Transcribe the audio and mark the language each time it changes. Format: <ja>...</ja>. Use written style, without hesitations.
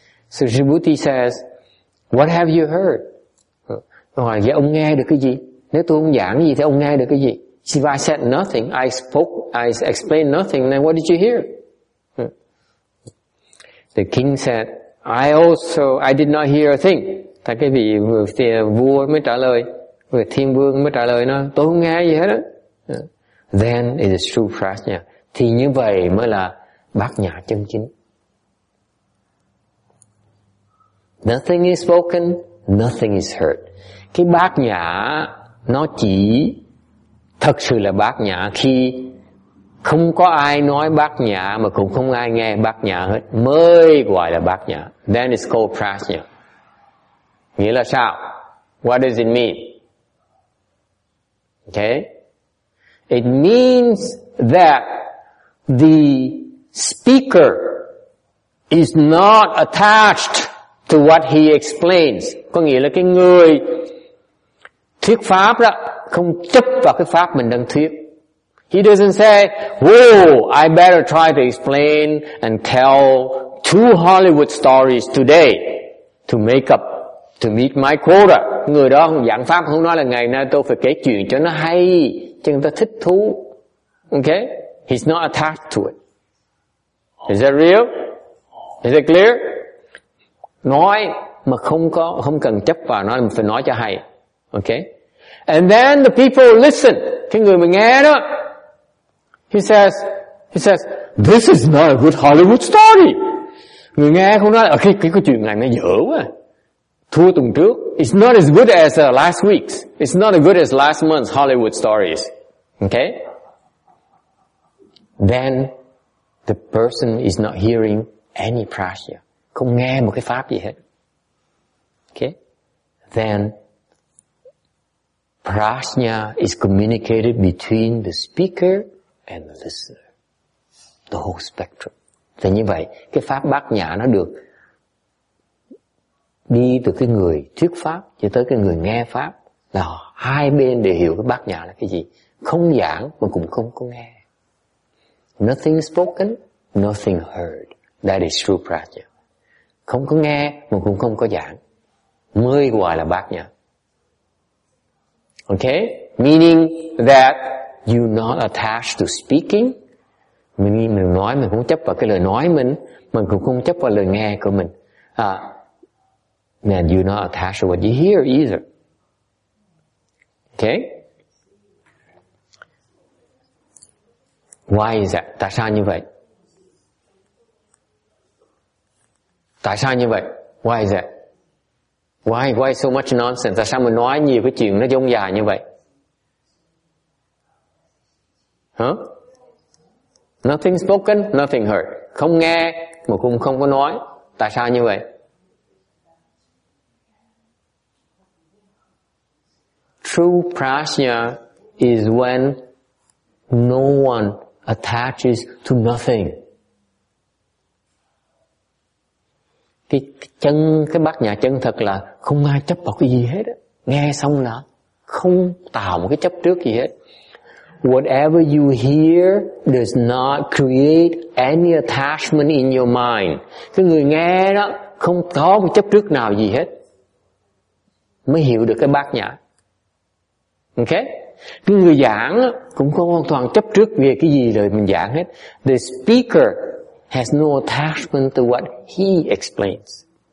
<en>So Subhuti says, "What have you heard?"</en> <vi>Hỏi vậy ông nghe được cái gì? Nếu tôi không giảng gì thì ông nghe được cái gì?</vi> <en>"If I said nothing, I explained nothing, then what did you hear?" The king said, I did not hear a thing."</en> <vi>Thì cái vị vua mới trả lời, vị thiên vương mới trả lời nó, "Tôi không nghe gì hết á."</vi> <en>Then it is true prajna.</en> <vi>Thì như vậy mới là bát nhã chân chính.</vi> <en>Nothing is spoken, nothing is heard.</en> <vi>Cái bát nhã nó chỉ thật sự là bát nhã khi không có ai nói bát nhã mà cũng không ai nghe bát nhã hết mới gọi là bát nhã.</vi> <en>Then it's called prajna.</en> <vi>Nghĩa là sao?</vi> <en>What does it mean? Okay? It means that the speaker is not attached to what he explains.</en> <vi>Có nghĩa là cái người thuyết pháp đó không chấp vào cái pháp mình đang thuyết.</vi> <en>He doesn't say, "Whoa, I better try to explain and tell 2 Hollywood stories today to make up, to meet my quota."</en> <vi>Người đó không giảng pháp, không nói là ngày nay tôi phải kể chuyện cho nó hay, cho người ta thích thú.</vi> <en>Okay? He's not attached to it. Is that real? Is that clear?</en> <vi>Nói mà không cần chấp vào nó, mình phải nói cho hay. Okay?</vi> <en>And then the people listen.</en> <vi>Cái người mà nghe đó,</vi> <en>He says, "This is not a good Hollywood story."</en> <vi>Người nghe không nói, cái câu chuyện này nó dở quá. Thua tuần trước.</vi> <en>"It's not as good as last week's. It's not as good as last month's Hollywood stories." Okay? Then the person is not hearing any prajna.</en> <vi>Không nghe một cái pháp gì hết.</vi> <en>Okay? Then prajna is communicated between the speaker and the listener, the whole spectrum.</en> <vi>Thì như vậy, cái pháp bát nhã nó được đi từ cái người thuyết pháp cho tới cái người nghe pháp, là hai bên đều hiểu cái bát nhã là cái gì. Không giảng mà cũng không có nghe.</vi> <en>Nothing spoken, nothing heard. That is true prajna.</en> <vi>Không có nghe mà cũng không có giảng. Mới gọi là bát nhã. Okay?</vi> <en>Meaning that you're not attached to speaking.</en> <vi>Mình nói, mình không chấp vào cái lời nói mình cũng không chấp vào lời nghe của mình.</vi> <en>And you're not attached to what you hear either. Okay? Why is that?</en> <vi>Tại sao như vậy? Tại sao như vậy?</vi> <en>Why is that? Why so much nonsense?</en> <vi>Tại sao mình nói nhiều cái chuyện nó dông dài như vậy?</vi> <en>Huh? Nothing spoken, nothing heard.</en> <vi>Không nghe mà cũng không có nói. Tại sao như vậy?</vi> <en>True prajna is when no one attaches to nothing.</en> <vi>Thì chân, cái bát nhà chân thật là không ai chấp vào cái gì hết á. Nghe xong là không tạo một cái chấp trước gì hết.</vi> <en>Whatever you hear does not create any attachment in your mind.</en> <vi>Cái người nghe đó không có một chấp trước nào gì hết. Mới hiểu được cái bát nhã. Ok? Cái người giảng cũng không hoàn toàn chấp trước về cái gì rồi mình giảng hết.</vi> <en>The speaker has no attachment to what he explains.</en>